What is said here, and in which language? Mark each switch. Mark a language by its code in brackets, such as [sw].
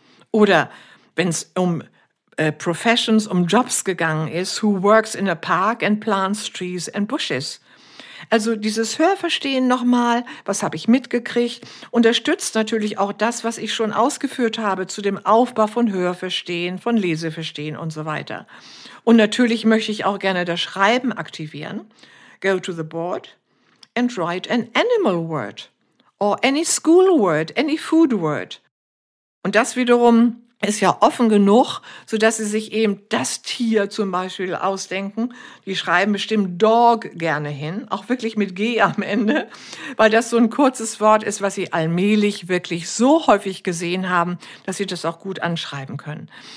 [de] Oder wenn es um Professions, um Jobs gegangen ist, [en] who works in a park and plants trees and bushes? [de] Also dieses Hörverstehen nochmal, was habe ich mitgekriegt, unterstützt natürlich auch das, was ich schon ausgeführt habe zu dem Aufbau von Hörverstehen, von Leseverstehen und so weiter. Und natürlich möchte ich auch gerne das Schreiben aktivieren. [en] Go to the board and write an animal word or any school word, any food word. [de] Und das wiederum ist ja offen genug, sodass sie sich eben das Tier zum Beispiel ausdenken. Die schreiben bestimmt Dog gerne hin, auch wirklich mit G am Ende, weil das so ein kurzes Wort ist, was sie allmählich wirklich so häufig gesehen haben, dass sie das auch gut anschreiben können.